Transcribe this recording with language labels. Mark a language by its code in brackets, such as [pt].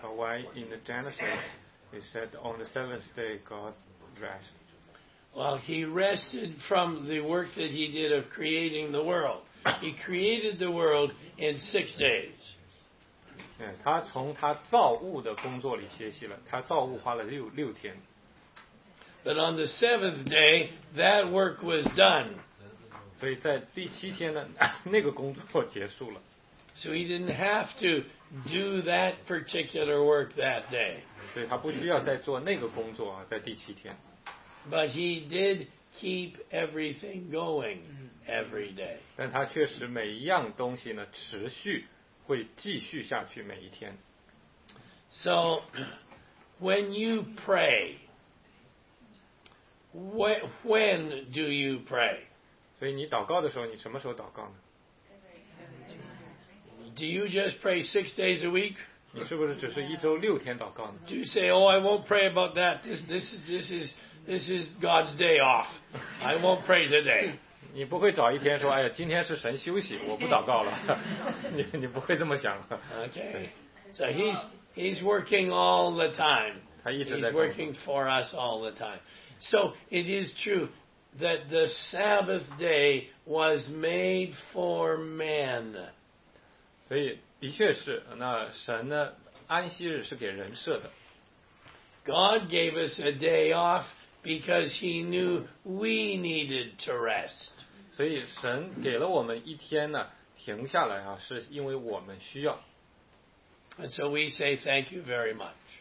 [en] But why in the Genesis we said on the seventh day God rested? Well, he rested from the work that he did of creating the world. He created the world in 6 days. [zh] 他从他造物的工作里歇息了，他造物花了六天。 [en] But on the seventh day, that work was done. [zh] 所以在第七天呢，那个工作结束了。 [en] So he didn't have to do that particular work that day. [zh] 所以他不需要再做那个工作啊，在第七天。 [en] But he did keep everything going every day. [zh] 但他确实每一样东西呢持续会继续下去每一天。 [en] So when you pray, when do you pray? [zh] 所以你祷告的时候你什么时候祷告呢？ [en] Do you just pray 6 days a week? [zh] 你是不是只是一周六天祷告呢？ [en] Do you say, oh, I won't pray about that. This is God's day off. I won't pray today. [zh] 你不会找一天说，哎呀，今天是神休息，我不祷告了。你不会这么想。 [en] Okay. So he's working all the time. [zh] 他一直在。 [en] He's working for us all the time. So it is true that the Sabbath day was made for man. [zh] 所以的确是，那神呢，安息日是给人设的。 [en] God gave us a day off. Because he knew we needed to rest. [zh] 所以神给了我们一天呢，停下来啊，是因为我们需要。 [en] And so we say thank you very much.